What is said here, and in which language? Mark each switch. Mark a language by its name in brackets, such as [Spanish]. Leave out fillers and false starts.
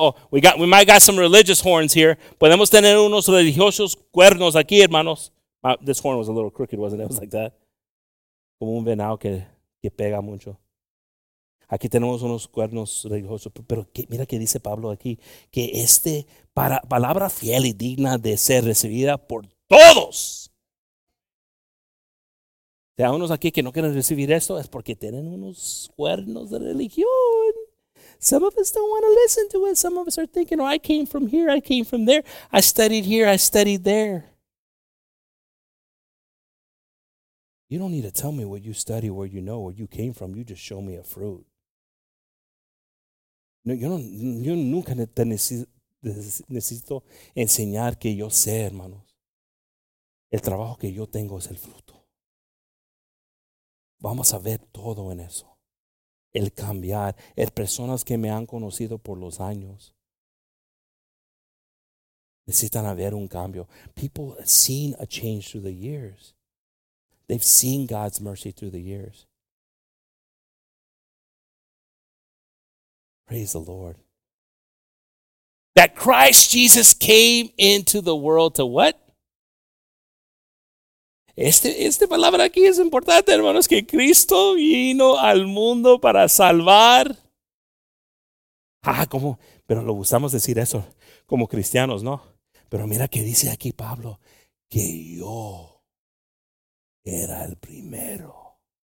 [English] We might got some religious horns here. [Spanish] Podemos tener unos religiosos cuernos aquí, hermanos. [English] This horn was a little crooked, wasn't it? It was like that. [Spanish] Como un venado que pega mucho. Aquí tenemos unos cuernos religiosos, pero mira que dice Pablo aquí, que este para palabra fiel y digna de ser recibida por todos. Si hay unos aquí que no quieren recibir esto, es porque tienen unos cuernos de religión. [English] Some of us don't want to listen to it. Some of us are thinking, oh, I came from here, I came from there. I studied here, I studied there. You don't need to tell me what you study, where you know, where you came from. You just show me a fruit. [Spanish] No, yo nunca te necesito enseñar que yo sé, hermanos. El trabajo que yo tengo es el fruto. Vamos a ver todo en eso. El cambiar. El personas que me han conocido por los años. Necesitan haber un cambio. [English] People have seen a change through the years. They've seen God's mercy through the years. Praise the Lord. That Christ Jesus came into the world to what? [Spanish] Esta palabra aquí es importante, hermanos, que Cristo vino al mundo para salvar. Ah, ¿cómo? Pero lo gustamos decir eso como cristianos, ¿no? Pero mira que dice aquí Pablo, que yo era el primero.